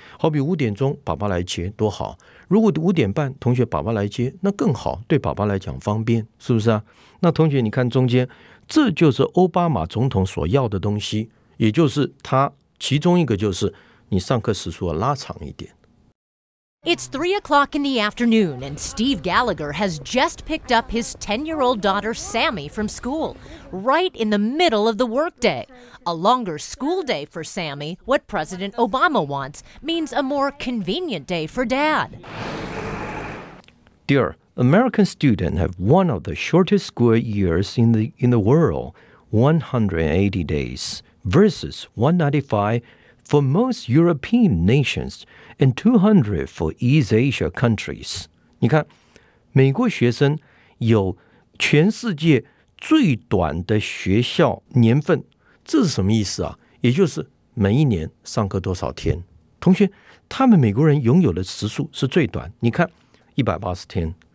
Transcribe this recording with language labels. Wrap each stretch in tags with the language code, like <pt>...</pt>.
<zh>好比五点钟爸爸来接多好。如果五点半同学爸爸来接，那更好，对爸爸来讲方便，是不是啊？那同学，你看中间。这就是奥巴马总统所要的东西，也就是他其中一个就是你上课时数要拉长一点。</zh> <en>It's 3 o'clock in the afternoon, and Steve Gallagher has just picked up his 10-year-old daughter Sammy from school, right in the middle of the workday. A longer school day for Sammy, what President Obama wants, means a more convenient day for Dad.</en> <zh>第二。</zh> <en>American students have one of the shortest school years in the world, 180 days, versus 195 for most European nations and 200 for East Asia countries.</en> <zh>你看，美国学生有全世界最短的学校年份，这是什么意思啊？也就是每一年上课多少天？同学，他们美国人拥有的时数是最短，你看，180天。</zh>